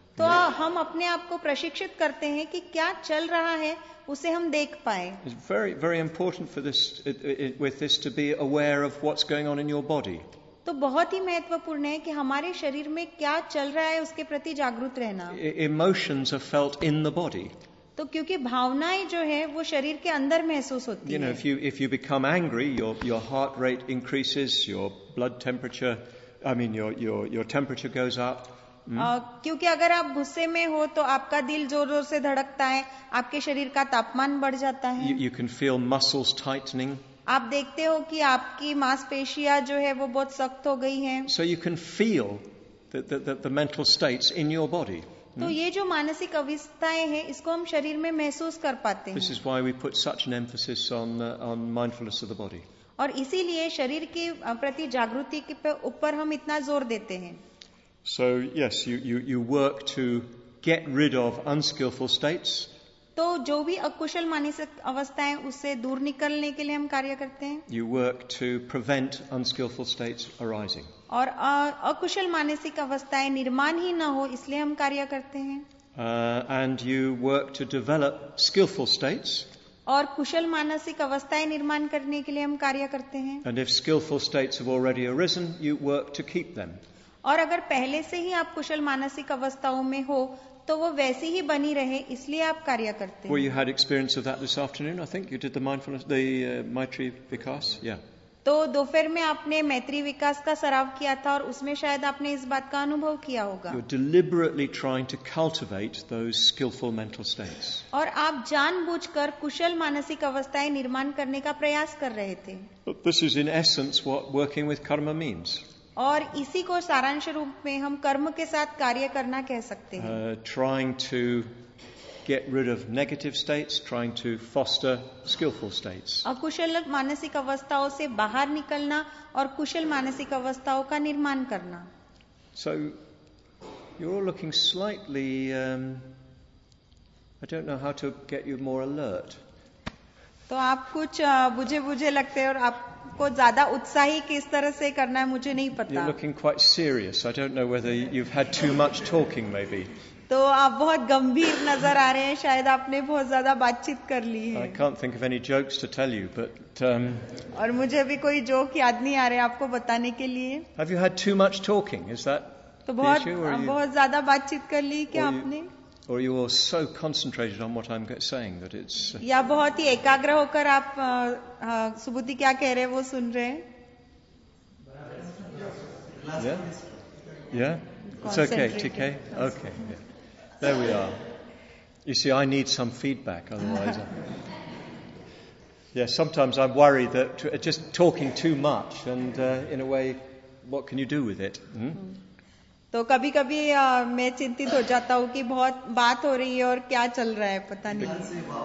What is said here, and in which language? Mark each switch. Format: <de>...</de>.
<hi>तो हम अपने आप को प्रशिक्षित करते हैं कि क्या चल रहा है उसे हम देख पाए.</hi> <en>It's very very important for this with this to be aware of what's going on in your body.</en> <hi>तो बहुत ही महत्वपूर्ण है कि हमारे शरीर में क्या चल रहा है उसके प्रति जागरूक रहना.</hi> <en>Emotions are felt in the body.</en> <hi>तो क्योंकि भावनाएं जो है वो शरीर के अंदर महसूस होती है.</hi> <en>You know, if you become angry, your heart rate increases, your blood temperature, I mean your temperature goes up.</en> <hi>क्योंकि अगर आप गुस्से में हो तो आपका दिल जोर जोर से धड़कता है आपके शरीर का तापमान बढ़ जाता है.</hi> <en>You can feel muscles tightening.</en> <hi>आप देखते हो कि आपकी मांसपेशियां जो है वो बहुत सख्त हो गई हैं.</hi> <en>So you can feel the mental states in your body.</en> <hi>तो ये जो मानसिक अवस्थाएं हैं इसको हम शरीर में महसूस कर पाते हैं.</hi> <en>This is why we put such an emphasis on mindfulness of the body.</en> <hi>और इसीलिए शरीर के प्रति जागृति के ऊपर हम इतना जोर देते हैं.</hi> <en>So yes, you work to get rid of unskillful states.</en> <hi>तो जो भी अकुशल मानसिक अवस्थाएं उससे दूर निकलने के लिए हम कार्य करते हैं.</hi> <en>You work to prevent unskillful states arising.</en> <hi>और अकुशल मानसिक अवस्थाएं निर्माण ही न हो इसलिए हम कार्य करते हैं.</hi> <en>And you work to develop skillful states.</en> <hi>और कुशल मानसिक अवस्थाएं निर्माण करने के लिए हम कार्य करते हैं.</hi> <en>And if skillful states have already arisen, you work to keep them.</en> <hi>और अगर पहले से ही आप कुशल मानसिक अवस्थाओं में हो तो वो वैसी ही बनी रहे इसलिए आप कार्य करते हैं.</hi> <en>Well, you had experience of that this afternoon, I think. You did the mindfulness, the Maitri Vikas, yeah.</en> <hi>तो दोपहर में आपने मैत्री विकास का सराव किया था और उसमें शायद आपने इस बात का अनुभव किया होगा.</hi> <en>You're deliberately trying to cultivate those skillful mental states.</en> <hi>और आप जानबूझकर कुशल मानसिक अवस्थाएं निर्माण करने का प्रयास कर रहे थे.</hi> <en>But this is in essence what working with karma means.</en> <hi>और इसी को सारांश रूप में हम कर्म के साथ कार्य करना कह सकते हैं.</hi> <en>Trying to get rid of negative states, trying to foster skillful states.</en> <hi>अकुशल मानसिक अवस्थाओं से बाहर निकलना और कुशल मानसिक अवस्थाओं का निर्माण करना.</hi> <en>So you're all looking slightly I don't know how to get you more alert.</en> <hi>तो आप कुछ बुझे लगते हैं और आपको ज्यादा उत्साही किस तरह से करना है मुझे नहीं पता.</hi> <en>You're looking quite serious. I don't know whether you've had too much talking maybe.</en> <hi>तो आप बहुत गंभीर नजर आ रहे हैं शायद आपने बहुत ज्यादा बातचीत कर ली है.</hi> <en>I can't think of any jokes to tell you, but</en> <hi>और मुझे भी कोई जोक याद नहीं आ रहे आपको बताने के लिए.</hi> <en>Have you had too much talking? Is that</en> <hi>तो बहुत ज्यादा बातचीत कर ली क्या आपने?</hi> <en>Or you are so concentrated on what I'm saying that it's.</en> <hi>या बहुत ही एकाग्र होकर आप सुबुद्धि क्या कह रहे हैं वो सुन रहे हैं.</hi> <en>Yeah. Yeah. It's okay. TK. Okay. Yeah. There we are. You see, I need some feedback, otherwise. Yeah. Sometimes I'm worried that just talking too much, and in a way, what can you do with it?</en> <hi>तो कभी-कभी मैं चिंतित हो जाता हूँ कि बहुत बात हो रही है और क्या चल रहा है पता नहीं.</hi>